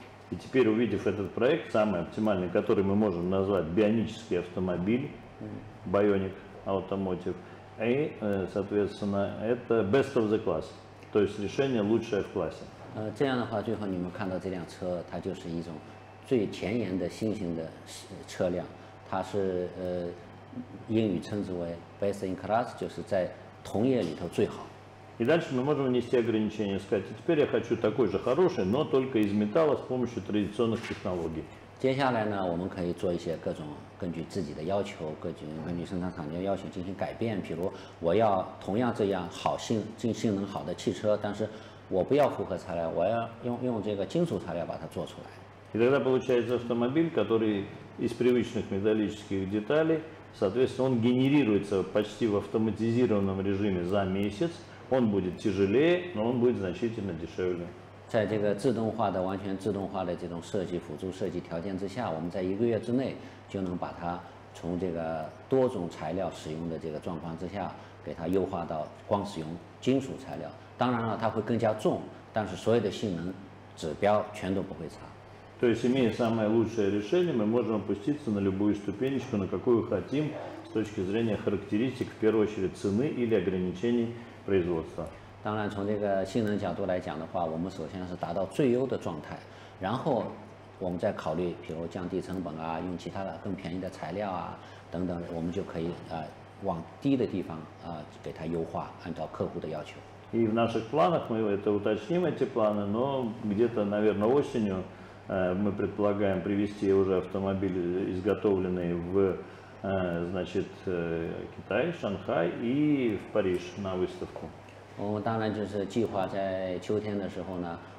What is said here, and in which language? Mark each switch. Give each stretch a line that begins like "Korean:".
Russian: И теперь, увидев этот проект, самый оптимальный, который мы можем назвать бионический автомобиль, Bionic Automotive, и, соответственно, это
English: best of the class,
Russian: то есть решение лучшее в классе.
Chinese: 这样的话，最后你们看到这辆车，它就是一种最前沿的新型的车辆，它是英语称之为
English: best in class,
Chinese: 就是在同业里头最好。
Russian: И дальше мы можем внести ограничение, сказать, теперь я хочу такой же хороший, но только из металла с помощью традиционных технологий.
Chinese: 接下来呢，我们可以做一些各种。根据自己的要求，根据生产厂家要求进行改变。比如，我要同样这样好性能好的汽车，但是我不要复合材料，我要用这个金属材料把它做出来。
Russian: И тогда получается автомобиль, который из привычных металлических деталей, соответственно, он генерируется почти в автоматизированном режиме за месяц. Он будет тяжелее, но он будет значительно дешевле.
Chinese: 在这个自动化的、完全自动化的这种设计辅助设计条件之下，我们在一个月之内。就能把它从这个多种材料使用的这个状况之下，给它优化到光使用金属材料。当然了，它会更加重，但是所有的性能指标全都不会差。
Russian: То есть имея самое лучшее решение, мы можем опуститься на любую ступенечку, на какую хотим, с точки зрения характеристик, в первую очередь цены или ограничений производства.
Chinese: 当然，从这个性能角度来讲的话，我们首先是达到最优的状态，然后。我们在考虑，比如降低成本啊，用其他的更便宜的材料啊，等等，我们就可以往低的地方给它优化，按照客户的要求。
Russian: И в наших планах мы это уточним эти планы, но где-то, наверное, осенью мы предполагаем привести уже автомобиль изготовленный в, значит, Китай, Шанхай и в Париж на выставку.
Chinese: 我们当然就是计划在秋天的时候呢。